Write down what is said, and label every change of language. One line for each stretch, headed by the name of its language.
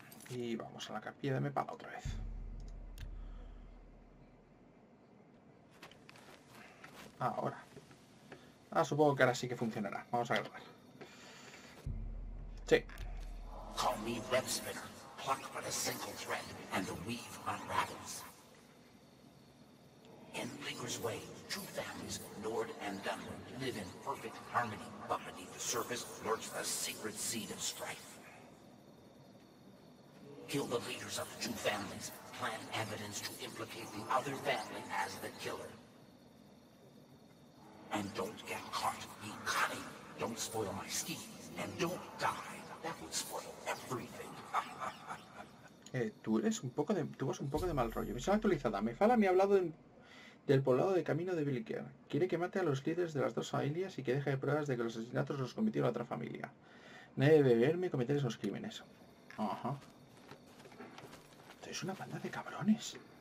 Spanish: Y vamos a la capilla de Mepala otra vez. Ahora. Ah, supongo que ahora sí que funcionará. Vamos a grabar.
English: Sí. Call me web spinner. Pluck but a single thread and the weave unravels. In Linger's way, two families, Nord and Dunwin, live in perfect harmony, but beneath the surface lurks the secret seed of strife. Kill the leaders of the two families. Plan evidence to implicate the other family as the killer. And don't get caught. Be cunning. Don't spoil my schemes. And don't die. That would spoil everything.
Spanish: tú vas un poco de mal rollo. Misión actualizada. Mefala me ha hablado del poblado de Camino de Vilker. Quiere que mate a los líderes de las dos familias y que deje de pruebas de que los asesinatos los cometió la otra familia. Nadie debe verme cometer esos crímenes. Ajá. Es una banda de cabrones.